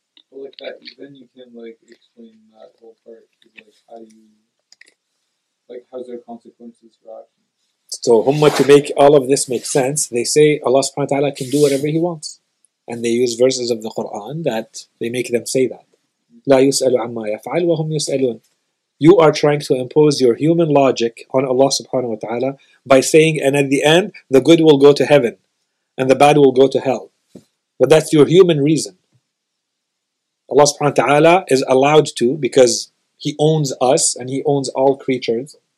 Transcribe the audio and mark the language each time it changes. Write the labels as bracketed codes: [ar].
[en] But like that, then you can like explain that whole part. Like, how do you like? How's there consequences for actions? So, Humma, to make all of this make sense, they say Allah Subhanahu wa Taala can do whatever He wants, and they use verses of the Quran that they make them say that. [ar] لا يسأل عما يفعل وهم يسألون. [en] You are trying to impose your human logic on Allah subhanahu wa ta'ala by saying, and at the end, the good will go to heaven and the bad will go to hell. But that's your human reason. Allah subhanahu wa ta'ala is allowed to, because He owns us and He owns all creatures.